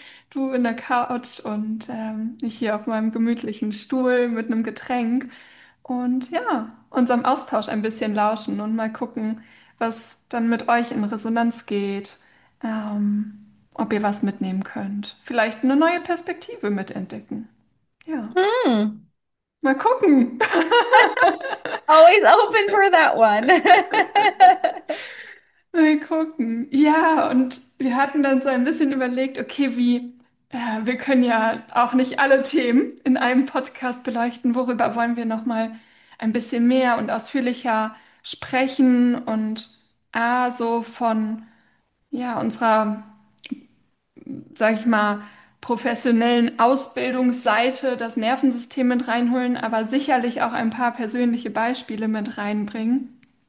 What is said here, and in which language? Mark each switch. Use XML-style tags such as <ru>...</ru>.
<de>Du in der Couch und ich hier auf meinem gemütlichen Stuhl mit einem Getränk. Und ja, unserem Austausch ein bisschen lauschen und mal gucken, was dann mit euch in Resonanz geht. Ob ihr was mitnehmen könnt. Vielleicht eine neue Perspektive mitentdecken. Ja. Mal gucken.</de> <en>Always open for that one.</en> <de>Mal gucken. Ja, und wir hatten dann so ein bisschen überlegt, okay, wir können ja auch nicht alle Themen in einem Podcast beleuchten. Worüber wollen wir noch mal ein bisschen mehr und ausführlicher sprechen? Und so von ja unserer, sag ich mal, professionellen Ausbildungsseite das Nervensystem mit reinholen, aber sicherlich auch ein paar persönliche Beispiele mit reinbringen.</de>